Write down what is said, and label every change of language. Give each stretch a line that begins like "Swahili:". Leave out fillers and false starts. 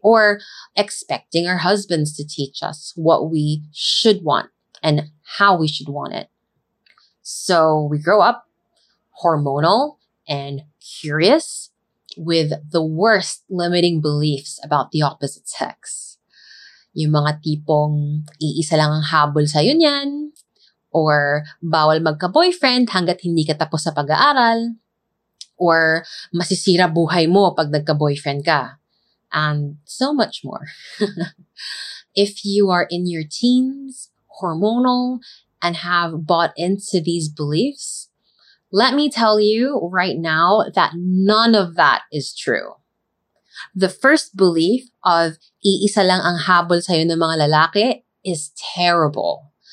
English: Or expecting our husbands to teach us what we should want and how we should want it. So we grow up hormonal and curious with the worst limiting beliefs about the opposite sex.
Filipino: Yung mga tipong iisa lang ang habol sa'yo niyan, or bawal magka-boyfriend hanggat hindi ka tapos sa pag-aaral, or masisira buhay mo pag nagka-boyfriend ka,
English: and so much more. If you are in your teens, hormonal, and have bought into these beliefs, let me tell you right now that none of that is true. The first belief of
Filipino: iisa lang ang habol sa'yo ng mga lalaki
English: is terrible.